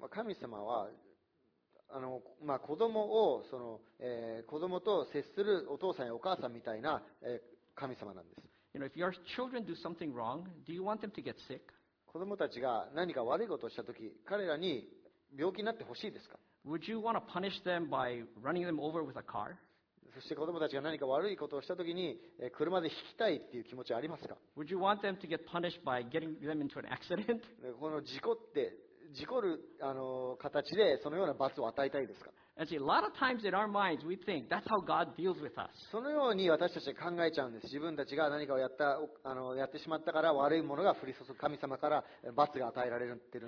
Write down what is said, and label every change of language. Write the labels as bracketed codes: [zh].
[ja] 神様はまあ、子供をその、子供と接するお父さんやお母さんみたいな、神様なんです。 [en] You know, if your children do something wrong, do you want them to get sick? [ja] 子供たちが何か悪いことをしたとき、彼らに病気になってほしいですか？ [en] Would you want to punish them by running them over with a car? [ja] そして子供たちが何か悪いことをしたときに、車で引きたいっていう気持ちありますか？ [en] Would you want them to get punished by getting them into an accident? [ja] この事故って事故る形でそのような罰を与えたいですか？そのように私たちは考えちゃうんです。自分たちが何かをやってしまったから悪いものが降り注ぐ、神様から罰が与えられている